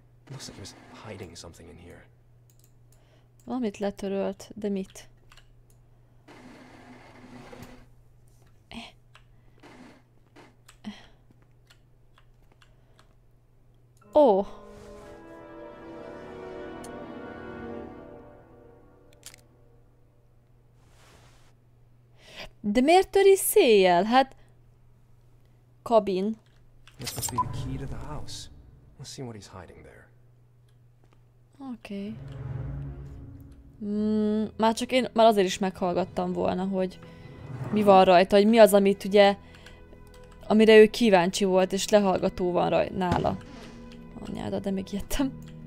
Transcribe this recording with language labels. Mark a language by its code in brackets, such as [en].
[en] Looks like he was hiding something in here. [hu] Valamit letörölt, de mit? Ó! Oh. De miért töri széjjel? Hát... Kabin. [en] This must be the key to the house. Let's see what he's hiding there. [hu] Oké. Már csak én már azért is meghallgattam volna, hogy mi van rajta, hogy mi az, amit ugye, amire ő kíváncsi volt, és lehallgató van rajta nála. Anyáda, de még ijedtem.